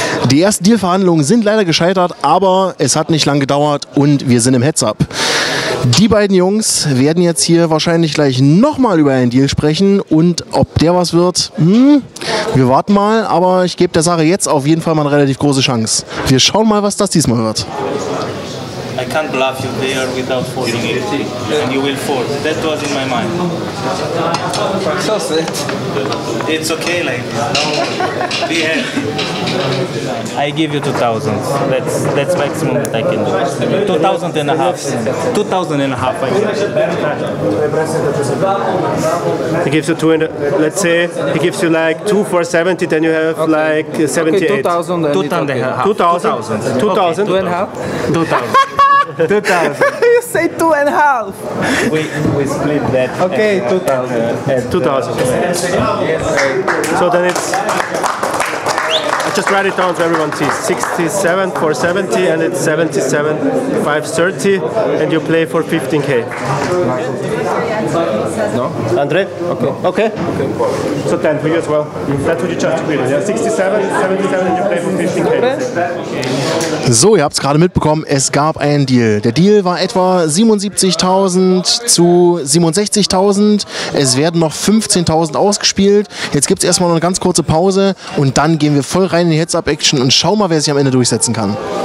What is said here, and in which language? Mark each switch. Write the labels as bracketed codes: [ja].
[de] Die ersten Dealverhandlungen sind leider gescheitert, aber es hat nicht lang gedauert und wir sind im Heads-Up. Die beiden Jungs werden jetzt hier wahrscheinlich gleich nochmal über einen Deal sprechen und ob der was wird, wir warten mal, aber ich gebe der Sache jetzt auf jeden Fall mal eine relativ große Chance. Wir schauen mal, was das diesmal wird. [en] I can't bluff you there without folding it, and you will fold. That was in my mind. So sweet. It's okay, like, don't be happy. I give you 2,000. That's maximum that I can do. 2,500. 2,500, I guess. He gives you 200. Let's say he gives you like 2,470, then you have like 78. Okay, 2,000 and half. 2,000. 2,000. 2,500? 2,000. 2,000. You say 2,500. We split that. Okay, 2,000. 2,000. So then it's. I just write it down so everyone sees. 67 for 70 and it's 77,530 and you play for 15k. No? Andre? Okay. Okay. So 10 for you as well. That's what you charge to people. Yeah, 67, 77 and you play for 15k. [de] So, ihr habt es gerade mitbekommen, es gab einen Deal. Der Deal war etwa 77.000 zu 67.000. Es werden noch 15.000 ausgespielt. Jetzt gibt es erstmal noch eine ganz kurze Pause und dann gehen wir voll rein in die Heads-Up-Action und schauen mal, wer sich am Ende durchsetzen kann.